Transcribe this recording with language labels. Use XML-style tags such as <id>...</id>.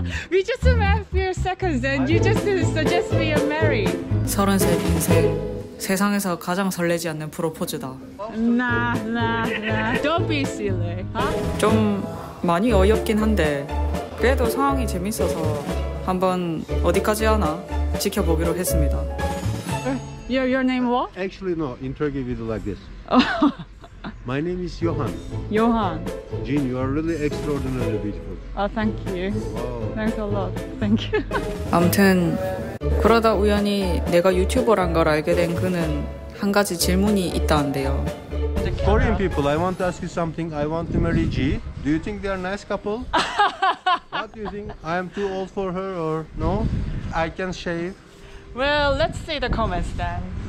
<en>We just met few seconds and you just suggest me a marry.</en> <ko>33 인생 세상에서 가장 설레지 않는 프로포즈다.</ko> <en>Nah, nah, nah. Don't be silly. Huh?</en> <ko>좀 많이 어이없긴 한데 그래도 상황이 재밌어서 한번 어디까지 하나 지켜보기로 했습니다.</ko> <en>Your name what? Actually no. In Turkey we do like this. My name is Johan. Johan. Jean, you are really extraordinarily beautiful. Oh, thank you. Wow. Thanks a lot. Thank you.</en> <ko>아무튼 그러다 우연히 내가 유튜버란 걸 알게 된 그는 한 가지 질문이 있다는데요.</ko> <en>Korean people, I want to ask you something. I want to marry G. Do you think they are nice couple? What do you think? I am too old for her or no? I can shave. Well, let's see the comments then.</en>